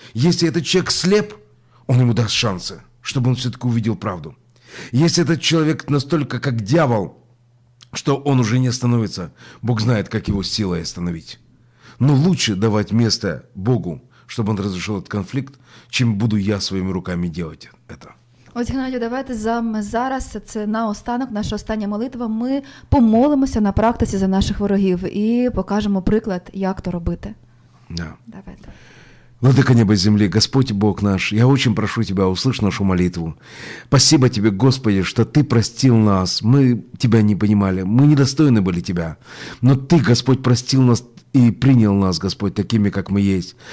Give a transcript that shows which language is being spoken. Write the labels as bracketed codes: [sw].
[ru] Если этот человек слеп, он ему даст шансы, чтобы он все-таки увидел правду. Если этот человек настолько, как дьявол, что он уже не остановится, Бог знает, как его силой остановить. Но лучше давать место Богу, чтобы он разрешил этот конфликт, чем буду я своими руками делать это. [uk] Ось, Геннадію, давайте зараз, це наостанок, наша остання молитва, ми помолимося на практиці за наших ворогів і покажемо приклад, як то робити. [ru] Да. Давайте. Владыка неба и земли, Господь Бог наш, я очень прошу Тебя, услышь нашу молитву. Спасибо Тебе, Господи, что Ты простил нас. Мы Тебя не понимали, мы недостойны были Тебя. Но Ты, Господь, простил нас и принял нас, Господь, такими, как мы есть.